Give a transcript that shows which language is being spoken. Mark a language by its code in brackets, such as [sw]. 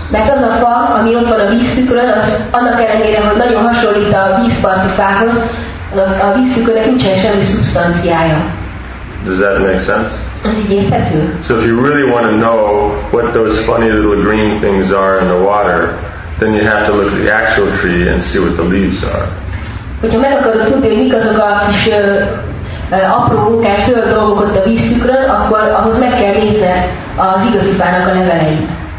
[hu] Mert az a fa, ami ott van a víztükrön, az annak ellenére, hogy nagyon hasonlít a vízparti fához, a víztükörnek nincsen semmi szubstanciája. [en] Does that make sense? So if you really want to know what those funny little green things are in the water, then you have to look at the actual tree and see what the leaves are. [hu] Hogyha meg akarod tudni, hogy mik azok a kis apró munkás zöld dolgok ott a víztükrön, akkor ahhoz meg kell nézned az igazi fának a leveleit.